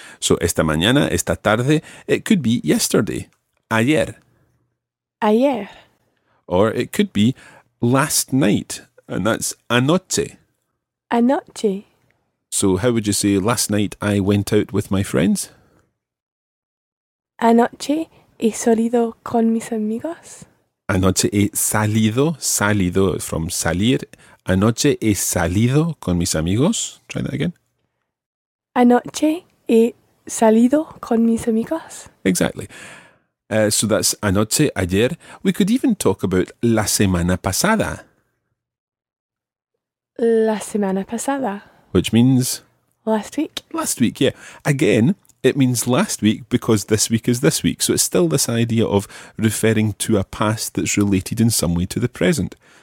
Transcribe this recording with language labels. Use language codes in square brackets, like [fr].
[en] So esta mañana, esta tarde, it could be yesterday, ayer. [es] Ayer. [en] Or it could be last night, and that's anoche. [es] Anoche. [en] So how would you say, last night I went out with my friends? [es] Anoche he salido con mis amigos. Anoche he salido, salido from salir. Anoche he salido con mis amigos. [en] Try that again. [es] Anoche he salido con mis amigos. [en] Exactly. So that's anoche, ayer. We could even talk about [es] la semana pasada. La semana pasada. [en] Which means? Last week. Last week, yeah. Again, it means last week because this week is this week. So it's still this idea of referring to a past that's related in some way to the present.